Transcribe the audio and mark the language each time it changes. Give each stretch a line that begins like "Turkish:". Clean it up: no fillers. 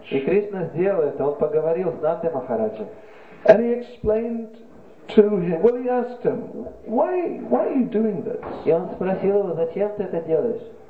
Russian: И Кришна сделал это. Он поговорил с Нандой Махараджем.
English: And he explained to him. Well, he asked him, why are you doing this?
Russian: И он спросил его, зачем ты это делаешь?